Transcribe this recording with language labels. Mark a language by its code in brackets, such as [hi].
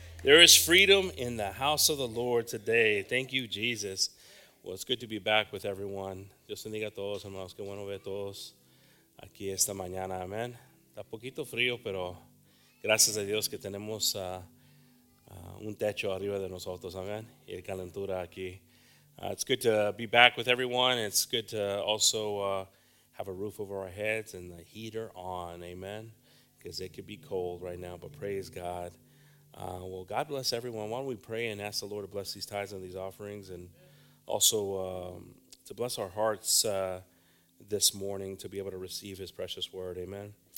[en] There is freedom in the house of the Lord today. Thank you, Jesus. Well, it's good to be back with everyone. [es] Dios bendiga a todos, hermanos. Qué bueno ver a todos aquí esta mañana. Amen. Está poquito frío, pero gracias a Dios que tenemos un techo arriba de nosotros. [en] Amen. [es] Y la calentura aquí. [en] It's good to be back with everyone. It's good to also have a roof over our heads and the heater on. Amen. Because it could be cold right now, but praise God. Well, God bless everyone. Why don't we pray and ask the Lord to bless these tithes and these offerings, and also to bless our hearts this morning to be able to receive his precious word. Amen.